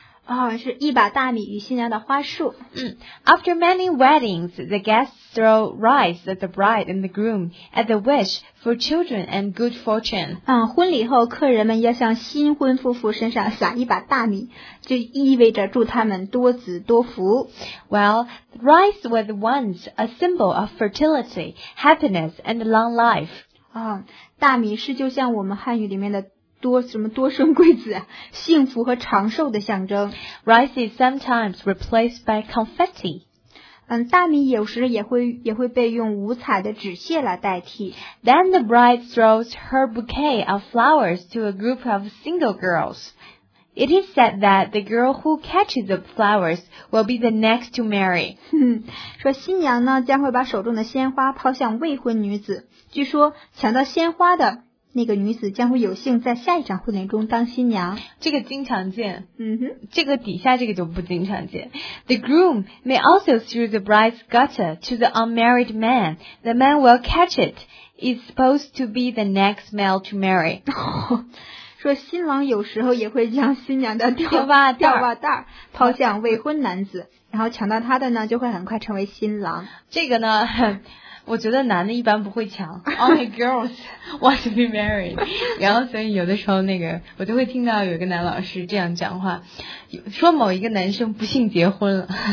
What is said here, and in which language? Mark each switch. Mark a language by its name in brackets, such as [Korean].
[Chinese] 哦，是一把大米与新娘的花束。 [English] 嗯 ，After many weddings, the guests throw rice at the bride and the groom at the wish for children and good fortune. [Chinese] 嗯，婚礼后客人们要向新婚夫妇身上撒一把大米。就意味着祝他们多子多福。 [English] Well, rice was once a symbol of fertility, happiness, and long life. [Chinese] 啊，大米是就像我们汉语里面的多什么多生贵子，幸福和长寿的象征。 [English] Rice is sometimes replaced by confetti. [Chinese] 嗯，大米有时也会被用五彩的纸屑来代替。 [English] Then the bride throws her bouquet of flowers to a group of single girls. It is said that the girl who catches the flowers will be the next to marry. [Chinese] 说新娘呢将会把手中的鲜花抛向未婚女子。据说抢到鲜花的那个女子将会有幸在下一场婚礼中当新娘。这个经常见。嗯哼。这个底下这个就不经常见。 [English] The groom may also throw the bride's gutter to the unmarried man. The man will catch it. It's supposed to be the next male to marry. [Chinese] 说新郎有时候也会将新娘的吊袜袋抛向未婚男子，然后抢到他的呢，就会很快成为新郎。这个呢，我觉得男的一般不会抢。 [English] Only girls want to be married 。 [Chinese] 然后所以有的时候那个，我就会听到有一个男老师这样讲话，说某一个男生不幸结婚了。